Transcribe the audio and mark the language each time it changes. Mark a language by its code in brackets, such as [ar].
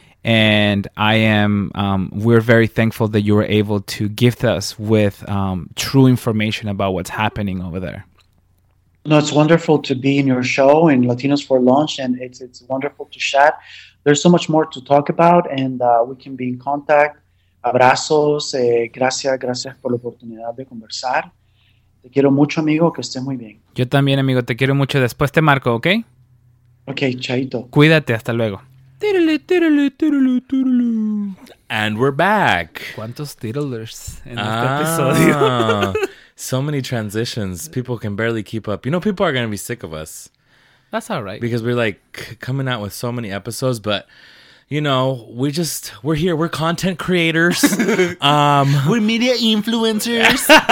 [en] And I am, we're very thankful that you were able to gift us with true information about what's happening over there. No, it's wonderful to be in your show in Latinos for Lunch, and it's wonderful to chat. There's so much more to talk about, and we can be in contact. [es] Abrazos, gracias por la oportunidad de conversar. Te quiero mucho, amigo, que estés muy bien. Yo también, amigo, te quiero mucho. Después te marco, ¿ok? Ok, chaito. Cuídate, hasta luego. Tírale, tírale, tírale, tírale. [en] And we're back. [es] ¿Cuántos tiddlers en este episodio? [en] So many transitions. People can barely keep up. You know, people are going to be sick of us. That's all right. Because we're like coming out with so many episodes, but... You know, we're here. We're content creators. We're media influencers.